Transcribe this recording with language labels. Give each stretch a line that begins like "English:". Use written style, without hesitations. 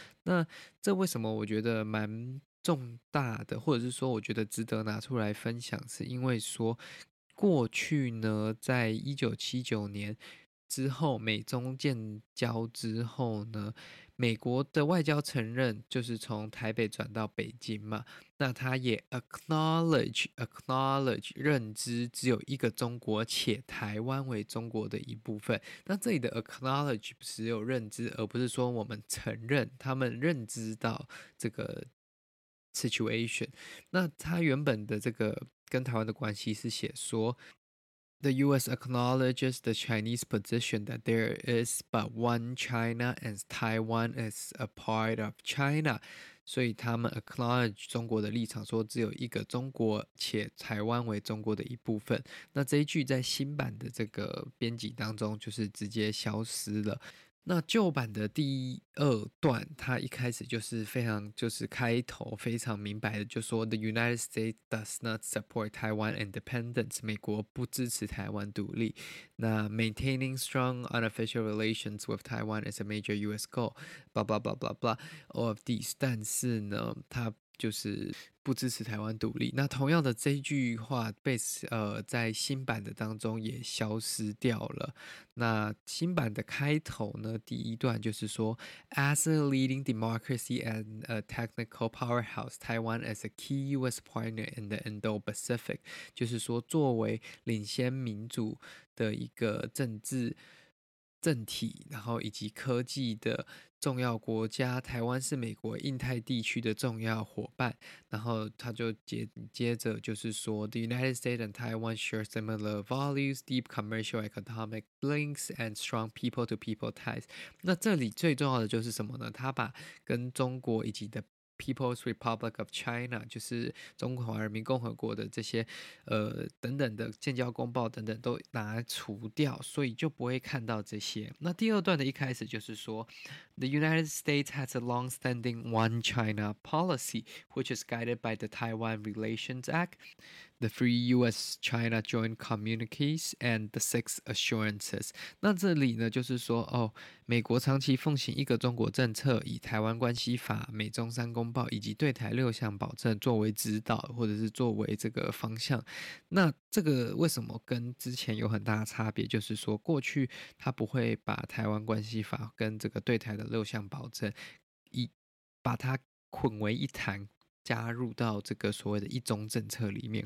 Chinese: 那这为什么我觉得蛮重大的，或者是说我觉得值得拿出来分享，是因为说过去呢，在1979年之后，美中建交之后呢，美国的外交承认就是从台北转到北京嘛，那他也 acknowledge 认知只有一个中国，且台湾为中国的一部分。那这里的 acknowledge 只有认知，而不是说我们承认，他们认知到这个situation。那他原本的这个跟台湾的关系是写说，
English: The U.S. acknowledges the Chinese position that there is but one China and Taiwan is a part of China。
Chinese: 所以他们 acknowledge 中国的立场，说只有一个中国，且台湾为中国的一部分。那这一句在新版的这个编辑当中就是直接消失了。那旧版的第二段，它一开始就是非常，就是开头非常明白的，就说
English: "The United States does not support Taiwan independence"，
Chinese: 美国不支持台湾独立。
English: 那 "Maintaining strong unofficial relations with Taiwan is a major U.S. goal"， blah blah blah blah blah all of these。
Chinese: 但是呢，它就是不支持台湾独立。那同样的这句话被在新版的当中也消失掉了。那新版的开头呢，第一段就是说
English: "As a leading democracy and a technical powerhouse, Taiwan is a key U.S. partner in the Indo-Pacific"，
Chinese: 就是说作为领先民主的一个政体，然后以及科技的重要国家，台湾是美国印太地区的重要伙伴。然后他就接着就是说
English: "The United States and Taiwan share similar values, deep commercial economic links, and strong people to people ties"。
Chinese: 那这里最重要的就是什么呢？他把跟中国以及的 People's Republic of China 就是中华人民共和国的这些等等的建交公报等等都拿除掉，所以就不会看到这些。那第二段的一开始就是说
English: The United States has a long-standing One China policy which is guided by the Taiwan Relations Act, the three U.S.-China joint communiques and the six assurances.
Chinese: 那这里呢就是说哦，美国长期奉行一个中国政策，以台湾关系法、美中三公报以及对台六项保证作为指导或者是作为这个方向。那这个为什么跟之前有很大的差别，就是说过去他不会把台湾关系法跟这个对台的六项保证把它捆为一谈，加入到这个所谓的一中政策里面。